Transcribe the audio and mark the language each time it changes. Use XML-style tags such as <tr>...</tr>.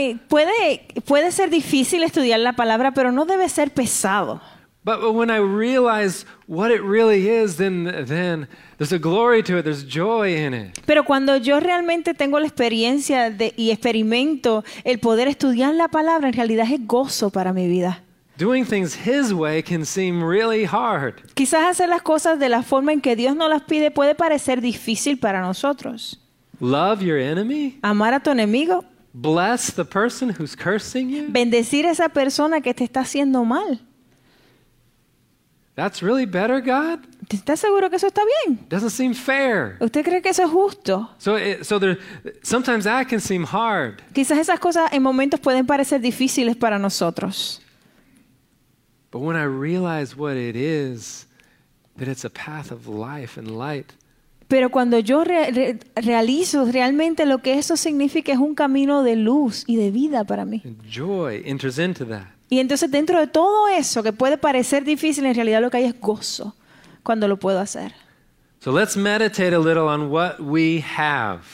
<es>Puede ser difícil estudiar la palabra, pero no debe ser pesado.</es> <en>But when I realize what it really is, then there's a glory to it. There's joy in it.</en> <es>Pero cuando yo realmente tengo la experiencia y experimento el poder estudiar la palabra, en realidad es gozo para mi vida.</es> <en>Doing things his way can seem really hard.</en> <es>Quizás hacer las cosas de la forma en que Dios nos las pide puede parecer difícil para nosotros.</es> <en>Love your enemy?</en> <es>Amar a tu enemigo?</es> <en>Bless the person who's cursing you?</en> <es>Bendecir a esa persona que te está haciendo mal.</es> <en>That's really better, God?</en> <es>¿Estás seguro que eso está bien?</es> <en>Doesn't seem fair.</en> <es>¿Usted cree que eso es justo?</es> <en>Sometimes that can seem hard.</en> <es>Quizás esas cosas en momentos pueden parecer difíciles para nosotros.</es> <en>But when I realize what it is, that it's a path of life and light.</en> <es>Pero cuando yo realizo realmente lo que eso significa es un camino de luz y de vida para mí.</es> <en>Joy enters into that.</en> <es>Y entonces dentro de todo eso que puede parecer difícil, en realidad lo que hay es gozo cuando lo puedo hacer.</es> <en>So let's meditate a little on what we have.</en>